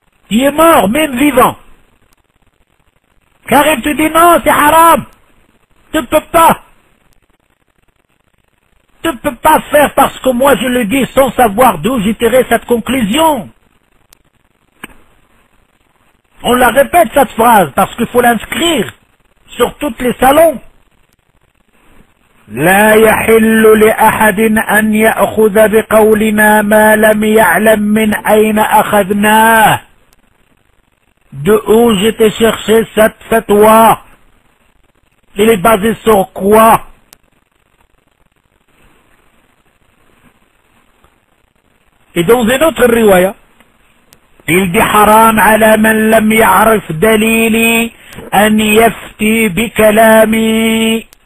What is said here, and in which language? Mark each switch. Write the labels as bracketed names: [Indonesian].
[French] Il est mort, même vivant. Car il te dit non, c'est haram. Tu ne peux pas. Tu ne peux pas faire parce que moi je le dis sans savoir d'où j'ai tiré cette conclusion. On la répète cette phrase parce qu'il faut l'inscrire sur tous les salons. [Arabic] لا يحل لأحد أن يأخذ بقولنا ما لم يعلم من أين أخذناه. [French] De où j'étais cherché cette fatwa? Il est basé sur quoi? Et dans une autre riwaya, il dit [Arabic] haram ala man lam ya'rif dalili an yafti bi kalami.